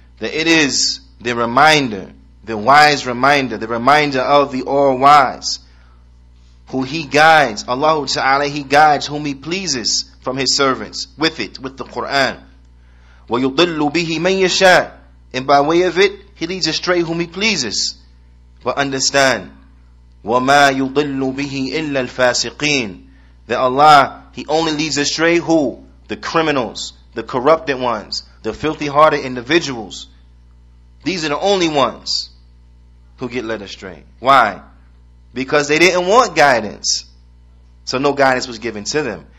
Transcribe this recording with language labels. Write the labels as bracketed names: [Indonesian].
[English] That it is the reminder, the wise reminder, the reminder of the all-wise, who He guides, Allah Ta'ala, He guides whom He pleases from His servants, with it, with the Qur'an. [Arabic] وَيُضِلُّ بِهِ مَنْ يَشَاءُ. [English] And by way of it, He leads astray whom He pleases. But understand, [Arabic] وَمَا يُضِلُّ بِهِ إِلَّا الْفَاسِقِينَ. [English] That Allah, He only leads astray who? The criminals, the corrupted ones, the filthy-hearted individuals. These are the only ones who get led astray. Why? Because they didn't want guidance. So no guidance was given to them.